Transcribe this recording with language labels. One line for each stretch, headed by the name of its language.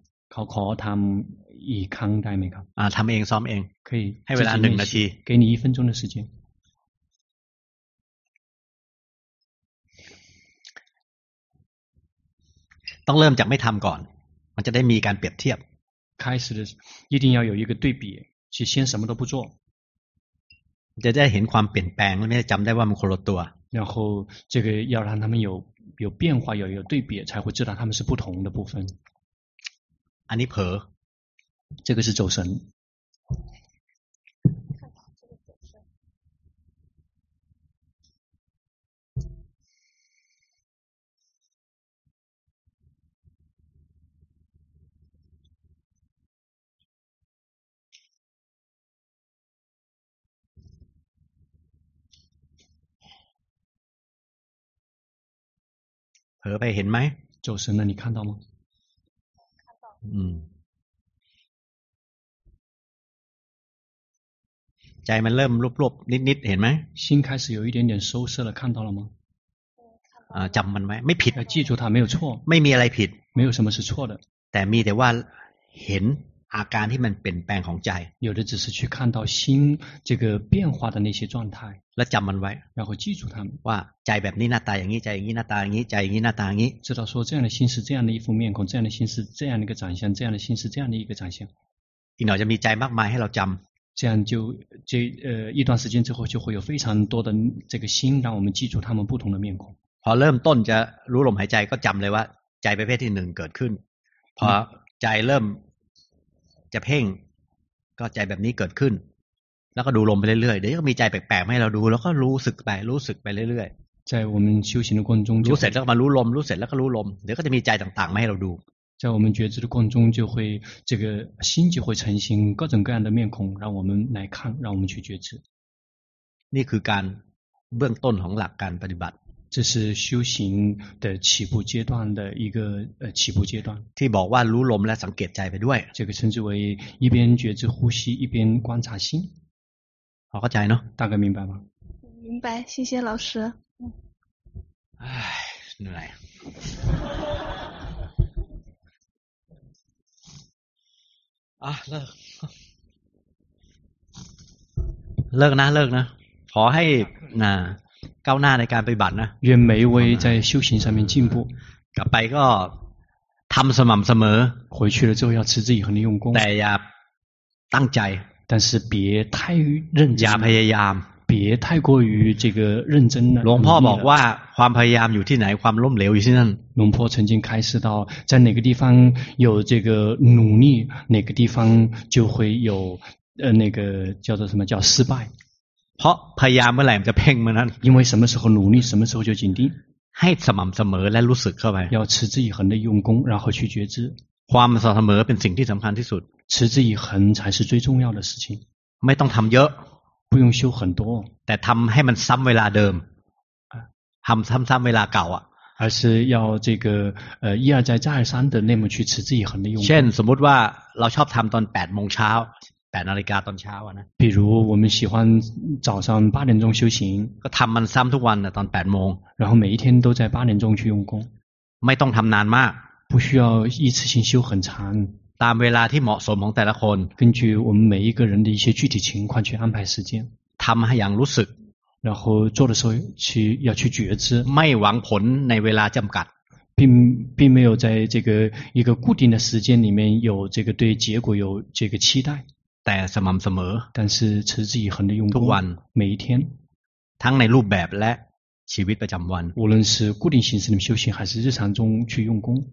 Thai: ขอทำอีกครั้งได้ไหมครับ ทำเองซ้อมเอง คือ ให้เวลาหนึ่งนาที
Chinese: 给你一分钟的时间
Thai: ต้องเริ่มจากไม่ทำก่อนมันจะได้มีการเปรียบเทียบ
Chinese: 开始的一定要有一个对比去先什么都不做
Thai: จะได้เห็นความเปลี่ยนแปลงแล้วไม่จำได้ว่ามันคนละตัว
Chinese: 然后这个要让他们有变化有对比才会知道他们是不同的部分
Thai: อันนี้เผล
Chinese: อ这个是走神
Thai: เผลอไปเห็นไหม
Chinese: 走神了你看到吗
Thai: ใจมันเริ่มรวบๆนิดๆเห็นไหม
Chinese: 心开始有一点点收摄了看到了吗
Thai: จำมันไหมไม่ผิด
Chinese: 记住它没有错
Thai: ไม่มีอะไรผิด
Chinese: 没有什么是错的
Thai: แต่มีแต่ว่าเห็นอาการที่มันเปลี่ยนแปลงของใจ
Chinese: 有的只是去看到心这个变化的那些状态
Thai: แล้วจำมันไว้
Chinese: 然后记住它
Thai: ว่าใจแบบนี้หน้าตาอย่างนี้ใจอย่างนี้หน้าตาอย่างนี้ใจอย่างนี้หน้าตาอย่างนี้
Chinese: 知道说这样的心是这样的一副面孔这样的心是这样的一个长相这样的心是这样的一个长相
Thai: อีกหน่อยจะมีใจมากมายให้เราจำ
Chinese: 这样就这一段时间之后就会有非常多的这个心让我们记住他们不同的面孔
Thai: พอเริ่มต้นจะรู้ลมหายใจก็จำเลยว่าใจประเภทที่หนึ่งเกิดขึ้นพอใจเริ่มจะเพ่งก็ใจแบบนี้เกิดขึ้นแล้วก็ดูลมไปเรื่อยๆเดี๋ยวก็มีใจแปลกๆให้เราดูแล้วก็รู้สึกไปรู้สึกไปเรื่อยๆ ใจ
Chinese: 我们修行的过程中
Thai: รู้เสร็จแล้วมารู้ลมรู้เสร็จแล้วก็รู้ลมเดี๋ยวก็จะมีใจต่างๆมาให้เราดู
Chinese: 在我们觉知的过程中就会这个心就会成型各种各样的面孔让我们来看让我们去觉知
Thai: นี่คือการเบื้องต้นของหลักการปฏิบัติ
Chinese: 这是修行的起步阶段的一个起步阶段
Thai: ที่บอกว่ารู้ลมและสังเกตใจไปด้วย
Chinese: 这个称之为一边觉知呼吸一边观察心
Thai: เข้าใจเนาะ
Chinese: 大概明白吗明白谢谢老师
Thai: 唉เหนื่อยเลิกเลิกนะเลิกนะขอให้นะก้าวหน้าในการปฏิบัตินะ
Chinese: 愿每位在修行上面进步
Thai: กลับไปก็ทำสม่ำเสมอ
Chinese: 回去了之后要持之以恒的用功
Thai: แต่อย่าตั้งใจ
Chinese: 但是别太认真
Thai: อย่าพยายาม
Chinese: 别太过于这个认真
Thai: หลวงพ่อบอกว่าความพยายามอยู่ที่ไหนความล้มเหลวอยู่ที่นั่น
Chinese: หลวงพ่อ曾经开示到在哪个地方有这个努力哪个地方就会有那个叫做什么叫失败
Thai: เพราะพยายามเมื่อไหร่จะเพ่งเมื่อนั้น
Chinese: 因为什么时候努力什么时候就紧盯
Thai: ให้สม่ำเสมอและรู้สึกเข้าไป
Chinese: 要持之以恒的用功然后去觉知
Thai: ความสม่ำเสมอเป็นสิ่งที่สำคัญที่สุด
Chinese: 持之以恒才是最重要的事情
Thai: ไม่ต้องทำเยอะ
Chinese: 不用修很多
Thai: แต่ทำให้มันซ้ำเวลาเดิมทำซ้ำๆเวลาเก่าอ่ะ
Chinese: 而是要这个一而再再而三的那么去持之以恒的用
Thai: 功เช่นสมมติว่าเราชอบทำตอน8โมงเช้า 8นาฬิกาตอนเช้าอ่ะนะ
Chinese: 比如我们喜欢早上8点钟修行
Thai: ก็ทำมันซ้ำทุกวันตอน8โมง
Chinese: 然后每一天都在8点钟去用功
Thai: ไม่ต้องทำนานมาก
Chinese: 不需要一次性修很长
Thai: ตามเวลาที่เหมาะสมของแต่ละคน
Chinese: 根据我们每一个人的一些具体情况去安排时间
Thai: ทำให้อย่างรู้สึก
Chinese: 然后做的时候去要去觉知
Thai: ไม่หวังผลในเวลาจำกัด
Chinese: 并没有在这个一个固定的时间里面有这个对结果有这个期待
Thai: แต่สม่ำเสมอ
Chinese: 但是持之以恒的用
Thai: 功ทุกวัน
Chinese: 每一天
Thai: ทั้งในรูปแบบและชีวิตประจำวัน
Chinese: 无论是固定形式的修行还是日常中去用功